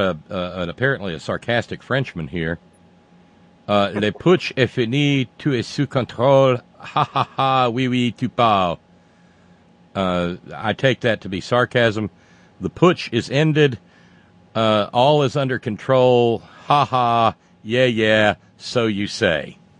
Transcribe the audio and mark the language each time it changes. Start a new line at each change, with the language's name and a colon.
English: I've got a sarcastic Frenchman here.
French: Le putsch est fini, tu es sous contrôle. Ha ha ha. Oui oui, tu parles.
English: I take that to be sarcasm. The putsch is ended. All is under control. Ha ha. Yeah, yeah. So you say.